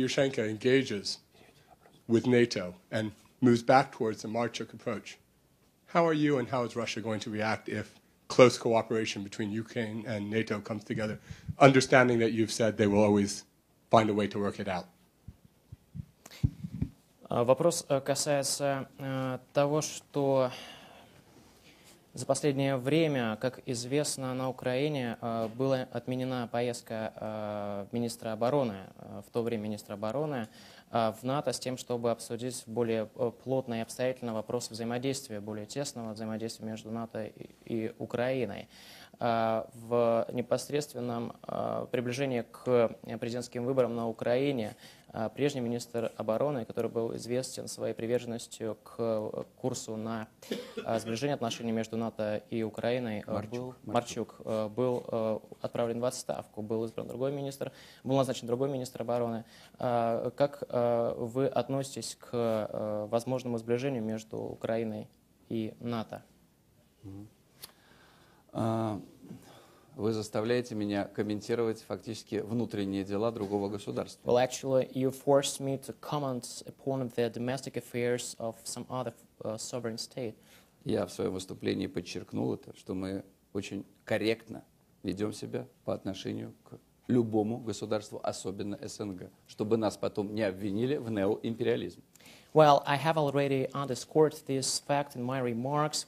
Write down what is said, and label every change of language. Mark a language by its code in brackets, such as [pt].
[en] Yushchenko engages with NATO and moves back towards the Marchuk approach, how are you and how is Russia going to react if close cooperation between Ukraine and NATO comes together, understanding that you've said they will always find a way to work it out? [ru] Вопрос касается того, что за последнее время, как известно, на Украине была отменена поездка министра обороны, в то время министра обороны в НАТО с тем, чтобы обсудить более плотно и обстоятельно вопросы взаимодействия, более тесного взаимодействия между НАТО и Украиной. В непосредственном приближении к президентским выборам на Украине прежний министр обороны, который был известен своей приверженностью к курсу на сближение отношений между НАТО и Украиной, Марчук был отправлен в отставку, был избран другой министр, был назначен другой министр обороны. Как вы относитесь к возможному сближению между Украиной и НАТО? Вы заставляете меня комментировать фактически внутренние дела другого государства. [en] Well, actually, you forced me to comment upon the domestic affairs of some other sovereign state. [ru] Я в своем выступлении подчеркнул это, что мы очень корректно ведем себя по отношению к любому государству, особенно СНГ, чтобы нас потом не обвинили в неоимпериализм. [en] Well, I have already underscored this fact in my remarks.